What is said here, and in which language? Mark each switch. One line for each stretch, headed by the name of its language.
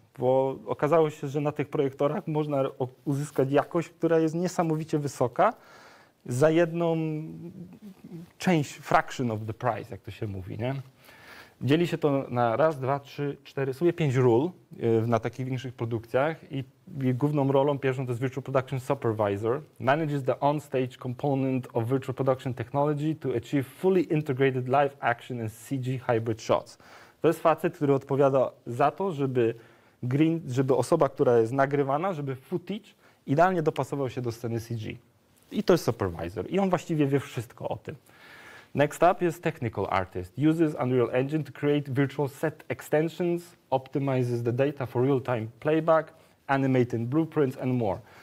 Polish: Bo okazało się, że na tych projektorach można uzyskać jakość, która jest niesamowicie wysoka za jedną część,
English: fraction of the price,
Polish: jak to się mówi, nie? Dzieli się to na raz, dwa, trzy, cztery, sobie pięć ról na takich większych produkcjach i główną rolą pierwszą to jest Virtual Production Supervisor.
English: Manages the on-stage component of virtual production technology to achieve fully integrated live action and CG hybrid shots.
Polish: To jest facet, który odpowiada za to, żeby osoba, która jest nagrywana, żeby footage idealnie dopasował się do sceny CG. I to jest supervisor. I on właściwie wie wszystko o tym.
English: Next up jest technical artist. Uses Unreal Engine to create virtual set extensions, optimizes the data for real-time playback, animating blueprints and more.